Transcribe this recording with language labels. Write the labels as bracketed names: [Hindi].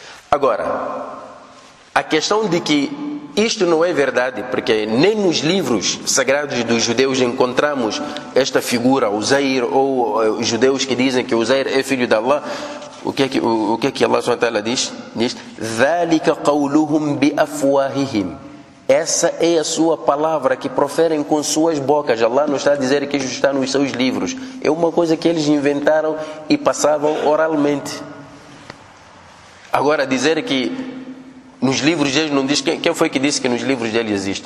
[Portuguese] Agora, a questão de que isto não é verdade, porque nem nos livros sagrados dos judeus encontramos esta figura, Uzair, ou os judeus que dizem que Uzair é filho de Allah. O que é que Allah subhanahu wa ta'ala diz? Diz, [Arabic] ذَلِكَ قَوْلُهُمْ بِأَفْوَاهِهِمْ. [Portuguese] Essa é a sua palavra que proferem com suas bocas. Allah não está a dizer que isso está nos seus livros. É uma coisa que eles inventaram e passavam oralmente. Agora, dizer que nos livros deles não diz... Quem foi que disse que nos livros deles existe?